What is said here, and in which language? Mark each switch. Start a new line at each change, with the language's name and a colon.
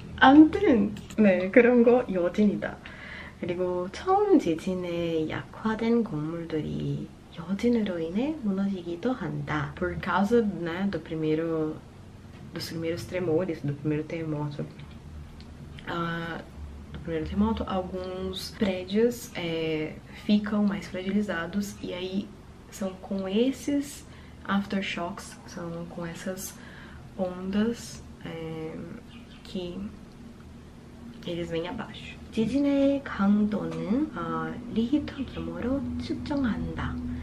Korean: 아무튼, 네, 그런 거 여진이다. 그리고 처음 지진에 약화된 건물들이 여진으로 인해 무너지기도 한다.
Portuguese: Por causa, né, dos primeiros tremores, do primeiro terremoto, alguns prédios ficam mais fragilizados, e aí são com esses aftershocks, são com essas ondas que eles vêm abaixo.
Korean: 지진의 강도는 리히터 규모로 측정한다.